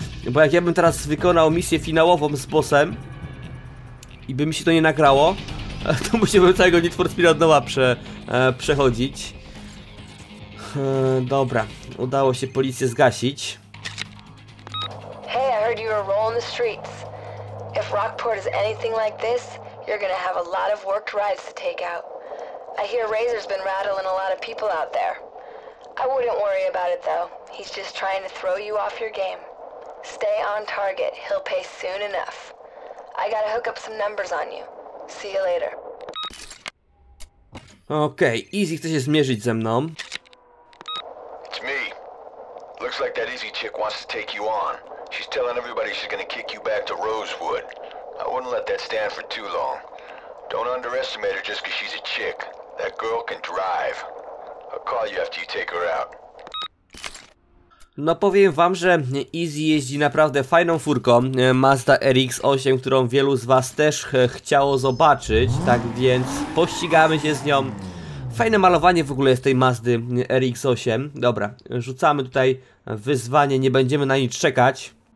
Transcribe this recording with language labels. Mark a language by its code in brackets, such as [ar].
[pl] Bo jak ja bym teraz wykonał misję finałową z bossem i by mi się to nie nagrało, to musiałbym całego Need for Speed od nowa przechodzić. Dobra, udało się policję zgasić. [en] Hey, I heard you were rolling the streets. If Rockport is anything like this, you're gonna have a lot of worked rides to take out. I hear Razor's been rattling a lot of people out there. I wouldn't worry about it though. He's just trying to throw you off your game. Stay on target, he'll pay soon enough. I gotta hook up some numbers on you. See you later. [pl] Okay, Easy chce się zmierzyć ze mną. [en] It's me. Looks like that Easy chick wants to take you on. She's telling everybody she's gonna kick you back to Rosewood. I wouldn't let that stand for too long. Don't underestimate her just cause she's a chick. That girl can drive. I'll call you after you take her out. [pl] No powiem wam, że Easy jeździ naprawdę fajną furką, Mazda RX-8, którą wielu z was też chciało zobaczyć, tak więc pościgamy się z nią. Fajne malowanie w ogóle jest tej Mazdy RX-8. Dobra, rzucamy tutaj wyzwanie, nie będziemy na nic czekać.